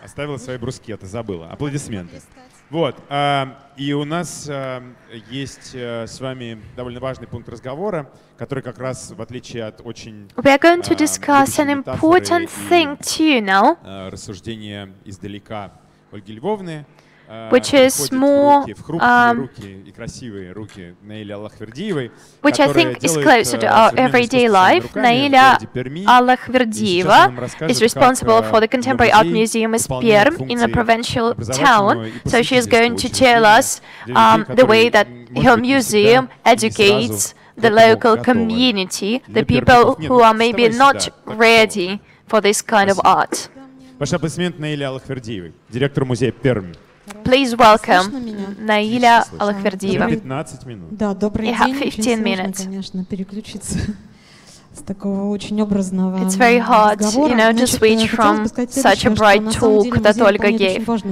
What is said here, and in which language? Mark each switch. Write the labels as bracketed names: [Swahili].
[Russian] Оставила свои брускеты, забыла. Аплодисменты. Вот. И у нас есть с вами довольно важный пункт разговора, который как раз в отличие от очень... [English] We are going to discuss an important thing to you now. [Russian] Рассуждение издалека Ольги Львовны. [English] Which is more, which I think is closer to our everyday life. Naila Allahverdieva is responsible for the Contemporary Art Museum as PERMM in a provincial town. So she is going to tell us the way that her museum educates the local community, the people who are maybe not ready for this kind of art. [Russian] Ваш аплодисмент Наиле Аллахвердиевой, директор музея PERMM. [English] Please welcome Наиля Аллахвердиева. [Russian] Да, добрый день. [English] You have 15 minutes. [Russian] Конечно, переключиться с такого очень образного. [English] It's very hard, you know, to switch from such a bright talk that Olga gave.